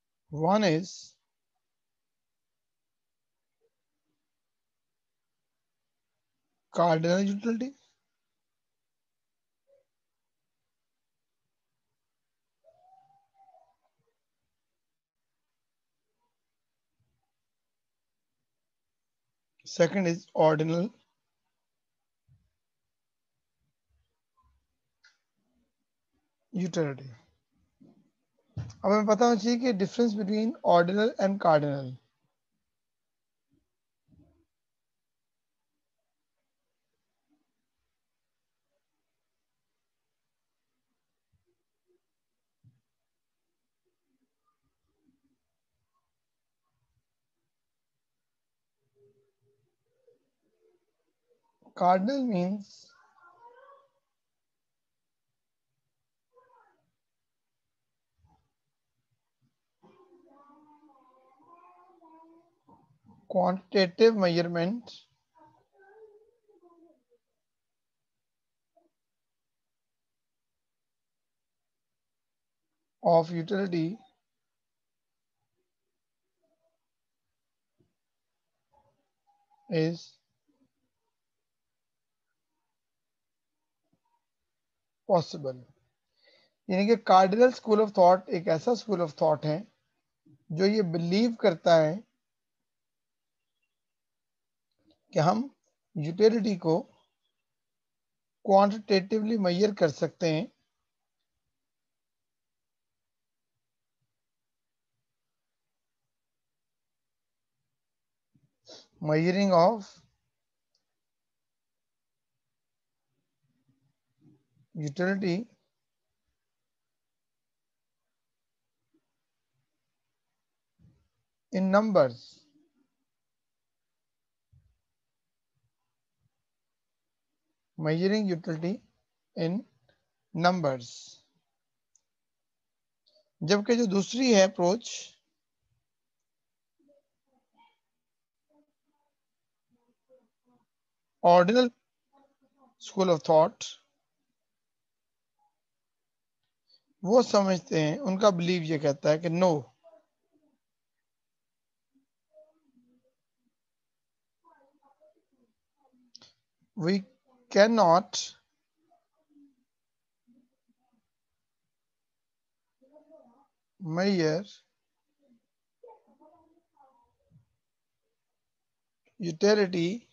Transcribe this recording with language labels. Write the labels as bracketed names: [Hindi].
[English] One is cardinal utility, second is ordinal utility. [Hindi] अब हमें पता होना चाहिए कि [English] difference between ordinal and cardinal. Cardinal means quantitative measurement of utility is possible. [Hindi] यानी कि कार्डिनल स्कूल ऑफ थॉट एक ऐसा स्कूल ऑफ थॉट है जो ये बिलीव करता है कि हम यूटिलिटी को क्वांटिटेटिवली मेजर कर सकते हैं [English] measuring of utility in numbers. Measuring utility in numbers. [Hindi] जबकि जो दूसरी है approach ordinal school of thought, वो समझते हैं, उनका बिलीव ये कहता है कि [English] no, we can not measure utility